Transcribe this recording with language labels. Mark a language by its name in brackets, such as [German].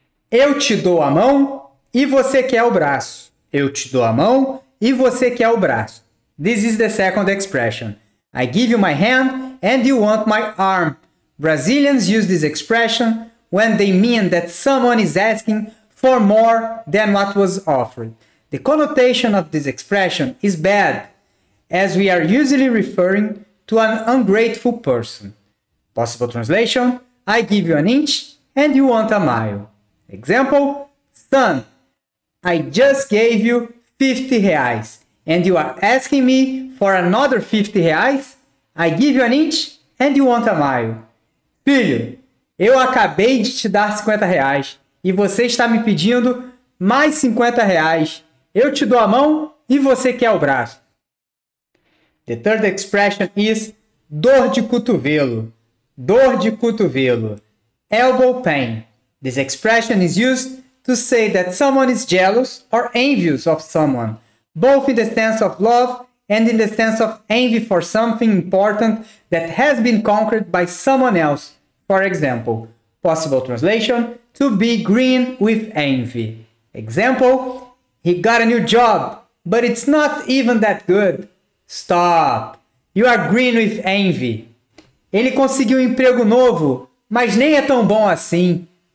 [Portuguese] Eu te dou a mão e você quer o braço. Eu te dou a mão e você quer o braço. [English] This is the second expression. I give you my hand and you want my arm. Brazilians use this expression when they mean that someone is asking for more than what was offered. The connotation of this expression is bad, as we are usually referring to an ungrateful person. Possible translation: I give you an inch and you want a mile. Example: Son, I just gave you 50 reais. And you are asking me for another 50 reais? I give you an inch and you want a mile. [Portuguese] Filho, eu acabei de te dar 50 reais e você está me pedindo mais 50 reais. Eu te dou a mão e você quer o braço. [English] The third expression is dor de cotovelo. [Portuguese] Dor de cotovelo. [English] Elbow pain. This expression is used to say that someone is jealous or envious of someone. Both in the sense of love and in the sense of envy for something important that has been conquered by someone else. For example, possible translation: to be green with envy. Example: he got a new job, but it's not even that good. Stop! You are green with envy. [Portuguese] Ele conseguiu um emprego novo, mas nem é tão bom assim.